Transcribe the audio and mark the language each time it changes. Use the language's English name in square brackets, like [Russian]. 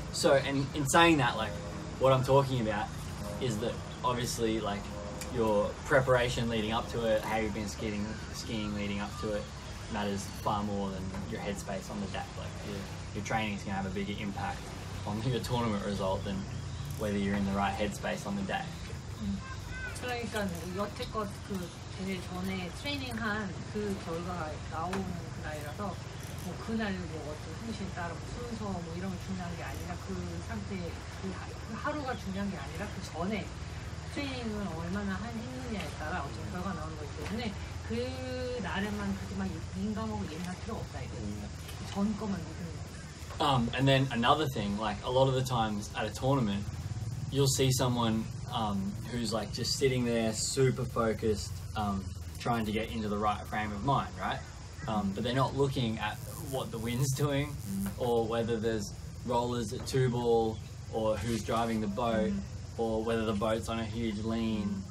[English] So, and in saying that, like, what I'm talking about is that obviously, like, your preparation leading up to it, how you've been skiing leading up to it, matters far more than your headspace on the deck. Like, your training is going to have a bigger impact on your tournament result than whether you're in the right headspace on the deck. Mm. [Korean] 그러니까 여태껏 그 전에 트레이닝한 그 결과가 나온 날이라서 뭐 그날 뭐 어떤 훈신 따로 순서 뭐 이런 게 중요한 게 아니라 그 상태 그 하루가 중요한 게 아니라 그 전에 트레이닝을 얼마나 했느냐에 따라 어떤 결과가 나오는 거기 때문에 그 날에만 그렇게 막 민감하고 예민할 필요 없다 이거예요. 전 거만 무슨 [English] And then another thing, like a lot of the times at a tournament, you'll see someone who's like just sitting there super focused, trying to get into the right frame of mind, right? But they're not looking at what the wind's doing or whether there's rollers at two ball or who's driving the boat or whether the boat's on a huge lean.